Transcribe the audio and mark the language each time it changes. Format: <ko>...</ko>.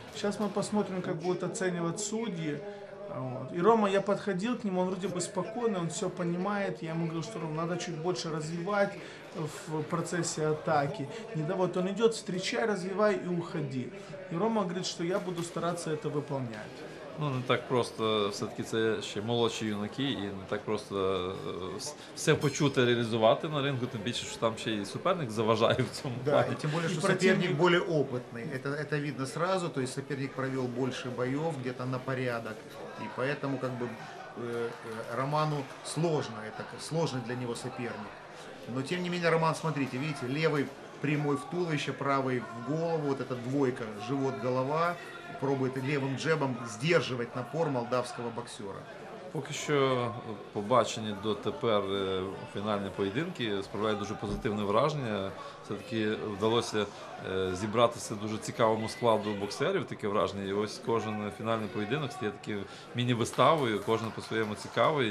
<ru>Сейчас мы посмотрим, как будут оценивать судьи. Вот. И Рома, я подходил к нему, он вроде бы спокойный, он все понимает. Я ему говорил, что Рома, надо чуть больше развивать в процессе атаки. Не да, вот он идет, встречай, развивай и уходи. И Рома говорит, что я буду стараться это выполнять.</ru> <uk>Ну, не так просто, все-таки це ще молодші юнаки, і не так просто все почути, реалізувати на рингу, тим більше, що там ще й суперник заважає в цьому да, плані. Так, тим більше, що суперник більш опитний, це видно одразу, тобто суперник провів більше боїв, десь на порядок, і тому, як би, Роману сложно, сложний для нього суперник.</uk> <ru>Но,</ru> <uk>тим не менше,</uk> <ru>Роман, смотрите, видите, левий прямой в туловище, правый в голову, вот эта двойка, живот-голова, пробует левым джебом сдерживать напор молдавского боксера.</ru> <uk>Поки що побачені дотепер фінальні поєдинки справляють дуже позитивне враження. Все-таки вдалося зібратися дуже цікавому складу боксерів, таке враження. І ось кожен фінальний поєдинок стає таким міні-виставою, кожен по-своєму цікавий.</uk>